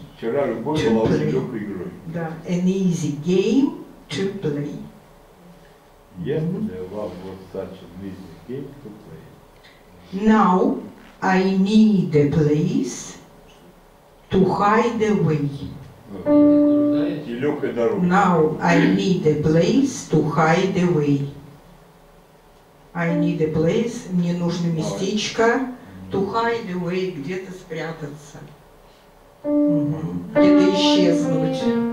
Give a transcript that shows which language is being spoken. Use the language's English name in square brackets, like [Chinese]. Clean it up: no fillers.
[Russian] Вчера любовь была очень легкой игрой. Да, [English] an easy game to play. Yesterday love was such an easy game to play. Now I need a place to hide away. [Russian] И легкая дорога. [English] Now I need a place to hide away. I need a place, [Russian] мне нужно местечко, [English] to hide away, [Russian] где-то спрятаться, где-то исчезнуть.